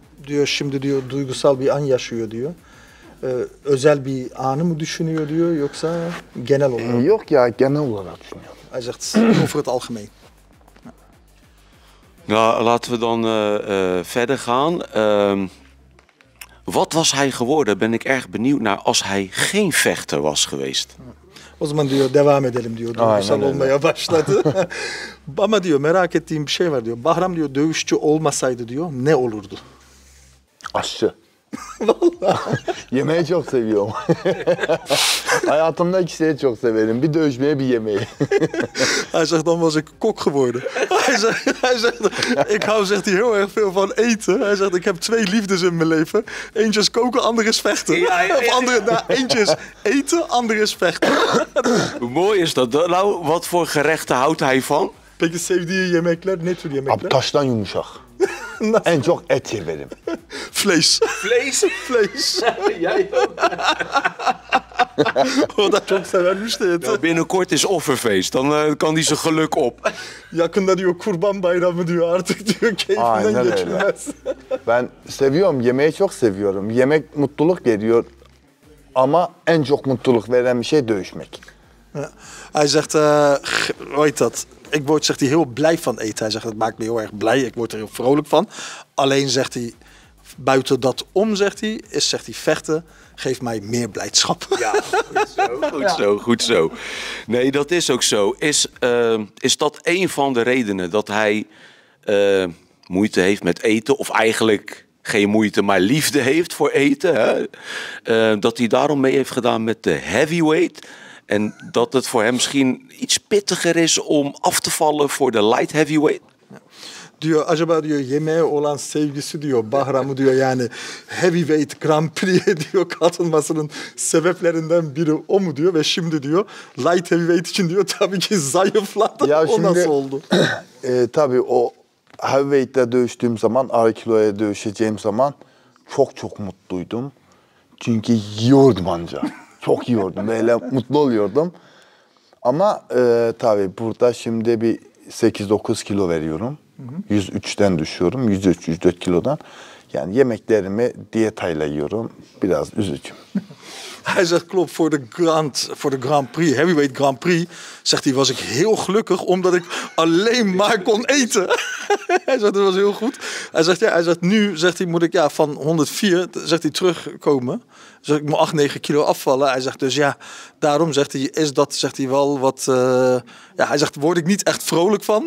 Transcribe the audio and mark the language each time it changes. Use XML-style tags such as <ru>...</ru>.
<tr>Diyor şimdi diyor duygusal bir an yaşıyor diyor. Özel bir anı mı düşünüyor diyor yoksa genel olarak? Yok ya genel olarak düşünüyor.</tr> <nl>Hij zegt over het algemeen. Ja, laten we dan verder gaan. Wat was hij geworden? Ben ik erg benieuwd naar als hij geen vechter was geweest.</nl> <tr>O zaman diyor devam edelim diyor. Duygusal olmaya başladı. Ama diyor merak ettiğim bir şey var diyor. Bahram diyor dövüşçü olmasaydı diyor ne olurdu? Aşçı. Vallahi. Yemeği çok seviyorum. Hayatımda ikisini çok severim. Bir dövüşmeye bir yemeği.</tr> <nl>Hij zegt, dan was ik kok geworden. Hij zegt, ik hou zegt hij heel erg veel van eten. Hij zegt, ik heb twee liefdes in mijn leven. Eentje is koken, ander is vechten. Ja. Of andere, nou, eentje is eten, ander is vechten. Hoe mooi is dat? Nou, wat voor gerechten houdt hij van?</nl> <tr>Peki sevdiği yemekler, ne tür yemekler? Abtaştan yumuşak. Nasıl? En çok et yerim.</tr> <nl>Vlees. Vlees. Jij ook. Dat</nl> <tr>çok severmiş</tr> <nl>de eten. Binnenkort is offerfeest. Dan kan hij zijn geluk op.</nl> <tr>Yakında diyor kurban bayramı diyor artık diyor. Keyfinden geçmez. Ben seviyorum. Yemeği çok seviyorum. Yemek mutluluk veriyor. Ama en çok mutluluk veren bir şey dövüşmek.</tr> <nl>Hij zegt, ooit dat. Ik word, zegt hij, heel blij van eten. Hij zegt, het maakt me heel erg blij. Ik word er heel vrolijk van. Alleen, zegt hij, buiten dat om, zegt hij, is, zegt hij, vechten geeft mij meer blijdschap. Ja, goed zo. Nee, dat is ook zo. Is dat een van de redenen dat hij moeite heeft met eten? Of eigenlijk geen moeite, maar liefde heeft voor eten? Hè? Dat hij daarom mee heeft gedaan met de heavyweight? En dat het voor hem misschien iets pittiger is om af te vallen voor de light heavyweight.</nl> <tr>Diyor acaba diyor yemeğe olan sevgisi diyor Bahram'ı diyor yani heavyweight Grand Prix'e diyor katılmasının sebeplerinden biri o mu diyor ve şimdi diyor light heavyweight için diyor tabii ki zayıfladı. Ya o şimdi, nasıl oldu? Tabii o heavyweight'te dövüştüğüm zaman ağır kiloya dövüşeceğim zaman çok çok mutluydum. Çünkü yiyordum ancak. Çok yiyordum, böyle mutlu oluyordum. Ama tabii burada şimdi bir 8-9 kilo veriyorum. Hı hı. 103'ten düşüyorum, 103-104 kilodan. Yani yemeklerimi diyetayla yiyorum, biraz üzücüm.</tr> <nl>Hij zegt, klopt, voor de Grand Prix, heavyweight Grand Prix, zegt hij, was ik heel gelukkig omdat ik alleen maar kon eten. Hij zegt, dat was heel goed. Hij zegt, ja, hij zegt nu zegt hij, moet ik ja, van 104, zegt hij, terugkomen. Zeg ik moet 8-9 kilo afvallen. Hij zegt dus ja, daarom zegt hij, is dat, zegt hij wel wat, ja, hij zegt, word ik niet echt vrolijk van.</nl>